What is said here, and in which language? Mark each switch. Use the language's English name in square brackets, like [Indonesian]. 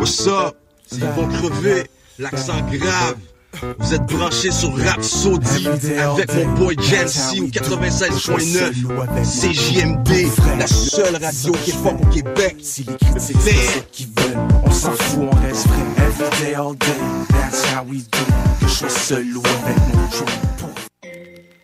[English] What's up? [French] C'est Yvon Crevé, l'accent grave. Vous êtes branchés sur Rapsody avec mon boy Jensi au 96.9 CJMD, la seule radio qui est forte au Québec. Si les critiques c'est ceux qui veulent, on s'en fout, on reste vrai. [English] Every day, all day, that's how we do. [French] Que je sois seul ou avec mon joint.